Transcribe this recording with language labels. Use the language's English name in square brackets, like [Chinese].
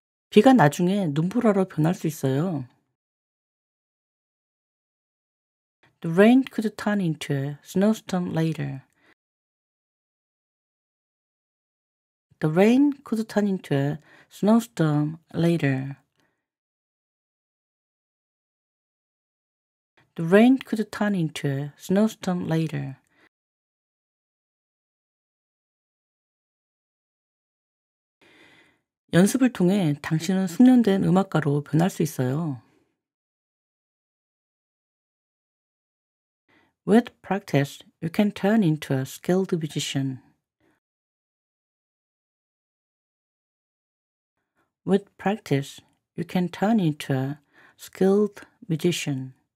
[Korean] 비가 나중에 눈보라로 변할 수 있어요. [English] The rain could turn into a snowstorm later. The rain could turn into a snowstorm later. The rain could turn into a snowstorm later. [Korean] 연습을 통해 당신은 숙련된 음악가로 변할 수 있어요. [English] With practice, you can turn into a skilled musician. With practice, you can turn into a skilled musician.